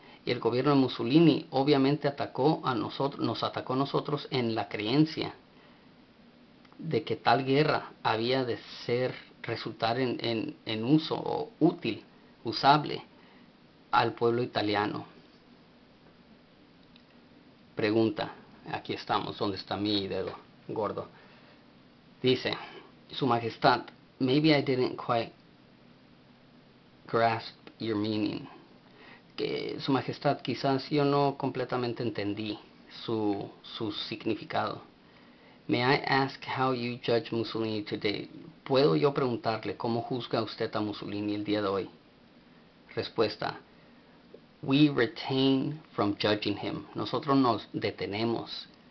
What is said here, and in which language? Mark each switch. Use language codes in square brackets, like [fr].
[es] Y el gobierno de Mussolini obviamente atacó a nosotros, nos atacó a nosotros en la creencia de que tal guerra había de ser, resultar en uso o útil, usable al pueblo italiano. Pregunta, aquí estamos, ¿dónde está mi dedo gordo? Dice, Su Majestad, [en] maybe I didn't quite grasp your meaning. [es] Que Su Majestad, quizás yo no completamente entendí su significado. [en] May I ask how you judge Mussolini today? [es] ¿Puedo yo preguntarle cómo juzga usted a Mussolini el día de hoy? [en] Respuesta: We retain from judging him. [es] Nosotros nos detenemos.